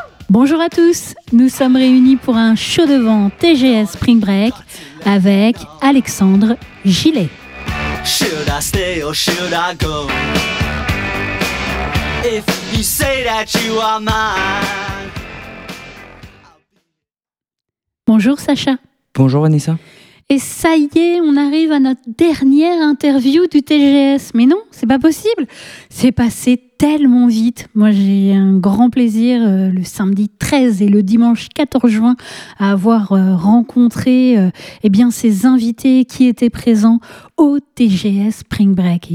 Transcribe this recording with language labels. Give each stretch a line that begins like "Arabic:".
French: Bonjour à tous, nous sommes réunis pour un show de vent TGS Spring Break avec Alexandre Gillet.
English: Should I stay or should I go? If you say that you are mine.
French: Bonjour Sacha. Bonjour Vanessa. Et ça y est, on arrive à notre dernière interview du TGS. Mais non, c'est pas possible. C'est passé tellement vite. Moi, j'ai un grand plaisir le samedi 13 et le dimanche 14 juin à avoir rencontré ces invités qui étaient présents au TGS Spring Break.